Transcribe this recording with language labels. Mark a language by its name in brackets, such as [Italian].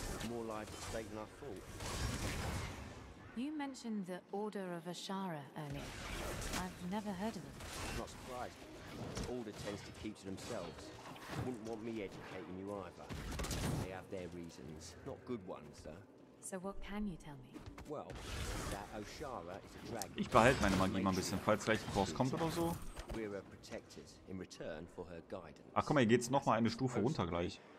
[English] More life at stake than I thought. You mentioned the Order of Ashara earlier. I've never heard of them. I'm not surprised. The Order tends to keep to themselves. Wouldn't want me educating you either. They have their reasons. Not good ones, though. So what can you tell me? Well, that Ashara is a dragon. [German] Ich behalte meine Magie mal ein bisschen, falls gleich ein Kurs kommt oder so. [English] We're her protectors in return for her guidance. [German] Ach komm, hier geht's noch mal eine Stufe runter gleich.